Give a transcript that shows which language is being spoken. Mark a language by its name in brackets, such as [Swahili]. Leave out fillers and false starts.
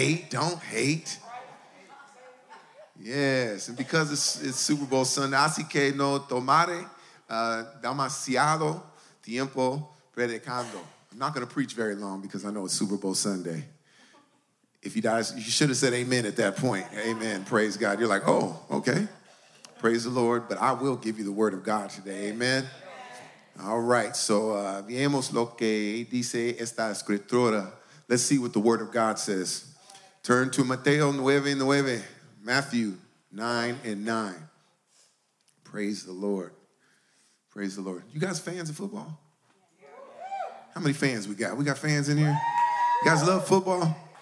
[English] Don't hate. Yes, and because it's Super Bowl Sunday, así que no tomare demasiado tiempo predicando. I'm not going to preach very long because I know it's Super Bowl Sunday. If you died, you should have said amen at that point. Amen. Praise God. You're like, oh, okay. Praise the Lord. But I will give you the word of God today. Amen. All right. [Spanish] So, veamos lo que dice esta escritura. [English] Let's see what the word of God says. Turn to Mateo 9:9. Matthew 9:9. Praise the Lord. You guys fans of football? How many fans we got? We got fans in here? You guys love football?